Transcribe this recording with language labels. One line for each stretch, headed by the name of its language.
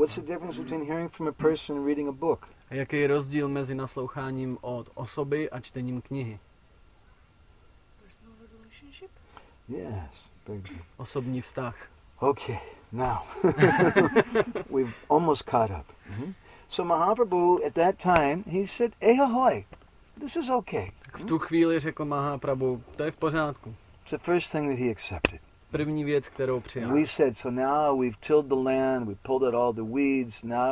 English: What's the difference between hearing from a person and reading a book?
Czech: A jaký je rozdíl mezi nasloucháním od osoby a čtením knihy?
English: Personal relationship? Yes, thank you.
Czech: Osobní vztah.
English: Okay, now. We've almost caught up. Mm-hmm. So Mahaprabhu at that time, he said, "Ehoy, this is okay."
Czech: Tak v tu chvíli řekl Mahaprabhu, to je v pořádku.
English: It's the first thing that he accepted.
Czech: První věc, kterou přijal.
English: We said, so now we've tilled the land, we pulled out all the weeds, now